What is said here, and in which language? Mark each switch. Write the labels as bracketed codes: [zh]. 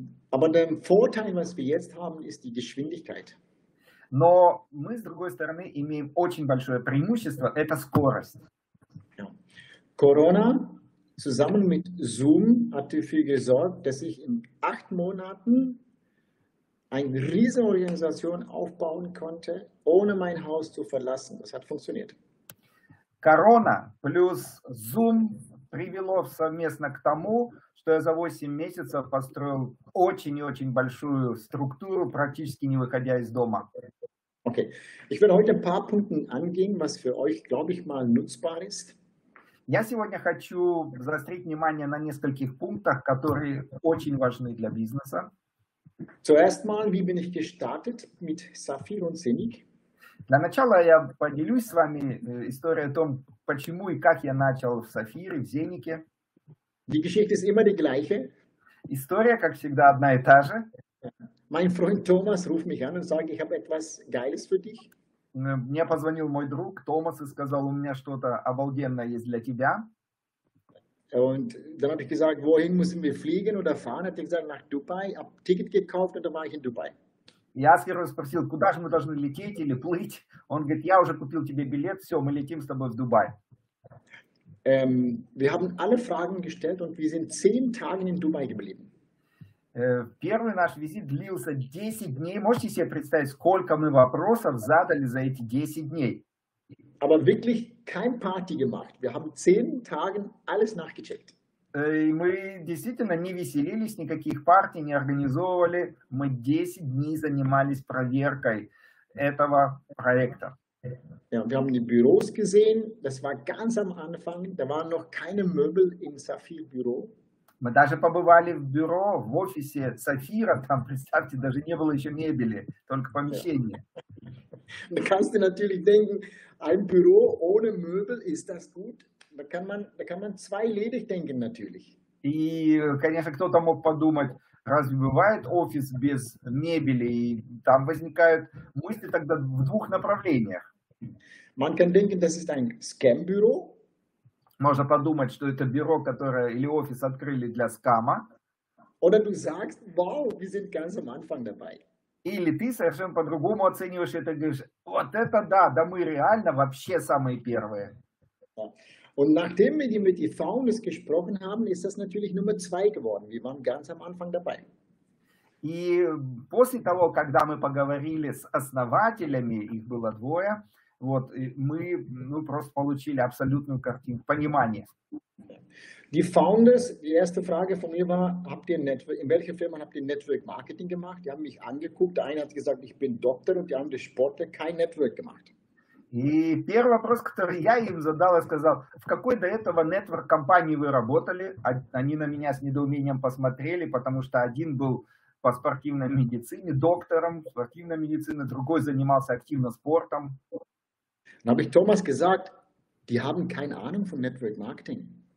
[de] Aber der Vorteil, was wir jetzt haben, ist die Geschwindigkeit. [ru] Но мы, с другой стороны, имеем очень большое преимущество – это скорость. [de] Corona zusammen mit Zoom hat dafür gesorgt, dass ich in 8 Monaten eine Riesenorganisation aufbauen konnte, ohne mein Haus zu verlassen. Das hat funktioniert. [ru] Corona plus Zoom привело совместно к тому, что я за 8 месяцев построил очень и очень большую структуру, практически не выходя из дома. Okay. [de] Ich will heute ein paar Punkte angehen, was für euch, glaube ich, mal nutzbar ist. [ru] Я сегодня хочу заострить внимание на нескольких пунктах, которые очень важны для бизнеса. [de] Zuerst mal, wie bin ich gestartet mit Saphir und Zenik? [ru] Для начала я поделюсь с вами историей о том, почему и как я начал в Saphir и в Zenik. [de] Die Geschichte ist immer die gleiche. [ru] История, как всегда, одна и та же. [de] Mein Freund Thomas ruft mich an und sagt, ich habe etwas Geiles für dich. [ru] Мне позвонил мой друг Томас и сказал, у меня что-то обалденное есть для тебя. [de] Und dann habe ich gesagt, wohin müssen wir fliegen oder fahren? Hat er gesagt, nach Dubai. Ich habe Ticket gekauft und dann war ich in Dubai. [ru] Я сперва спросил, куда же мы должны лететь или плыть? Он говорит, я уже купил тебе билет, все, мы летим с тобой в Дубай. [de] Wir haben alle Fragen gestellt und wir sind 10 Tage in Dubai geblieben. [ru] Первый наш визит длился 10 дней. Можете себе представить, сколько мы вопросов задали за эти 10 дней? [de] Aber wirklich kein Party gemacht. Wir haben 10 Tage alles nachgecheckt. [ru] Мы действительно не веселились, никаких партий не организовывали. Мы 10 дней занимались проверкой этого проекта. [de] Ja, wir haben die Büros gesehen. Das war ganz am Anfang. Da waren noch keine Möbel im Saphir Büro. [ru] Мы даже побывали в бюро, в офисе Сафира, там, представьте, даже не было еще мебели, только помещение. [de] Да kannst du natürlich denken, ein Büro ohne Möbel, ist das gut? Da kann man zwei ledig denken natürlich. [ru] И, конечно, кто-то мог подумать, разве бывает офис без мебели? И там возникают мысли тогда в двух направлениях. [de] Man kann denken, das ist ein Scam-Büro. [ru] Можно подумать, что это бюро, которое или офис открыли для скама. [de] Oder du sagst, wow, wir sind ganz am Anfang dabei. [ru] Или ты совершенно по-другому оцениваешь это, говоришь, вот это да, да мы реально вообще самые первые. [de] Und nachdem wir mit den Founders gesprochen haben, ist das natürlich Nummer 2 geworden. Wir waren ganz am Anfang dabei. [ru] И после того, когда мы поговорили с основателями, их было двое, вот, мы просто получили абсолютную картину, понимание. [de] Die Founders, die erste Frage von mir war, habt ihr Network, in welcher Firma habt ihr Network Marketing gemacht? Die haben mich angeguckt, der eine hat gesagt, ich bin Doktor und die andere Sportler, kein Network gemacht. [ru] И первый вопрос, который я им задал, я сказал, в какой до этого нетворк-компании вы работали? Они на меня с недоумением посмотрели, потому что один был по спортивной медицине, доктором спортивной медицины, другой занимался активно спортом. [de] Dann habe ich Thomas gesagt, die haben keine Ahnung von Network Marketing.